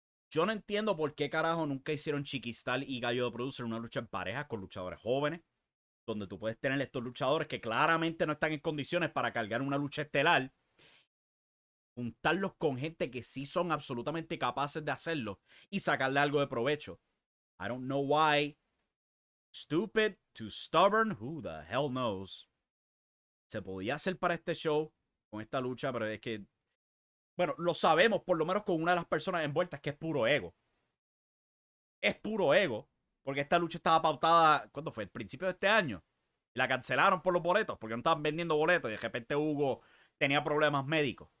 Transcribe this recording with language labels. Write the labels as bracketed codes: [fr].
[es] Yo no entiendo por qué carajo nunca hicieron Chiquistal y Gallo de Producer una lucha en pareja con luchadores jóvenes, donde tú puedes tener estos luchadores que claramente no están en condiciones para cargar una lucha estelar, juntarlos con gente que sí son absolutamente capaces de hacerlo y sacarle algo de provecho. [en] I don't know why. Stupid, too stubborn, who the hell knows. [es] Se podía hacer para este show con esta lucha, pero es que, bueno, lo sabemos, por lo menos con una de las personas envueltas, que es puro ego. Es puro ego, porque esta lucha estaba pautada, ¿cuándo fue? El principio de este año. Y la cancelaron por los boletos, porque no estaban vendiendo boletos, y de repente Hugo tenía problemas médicos.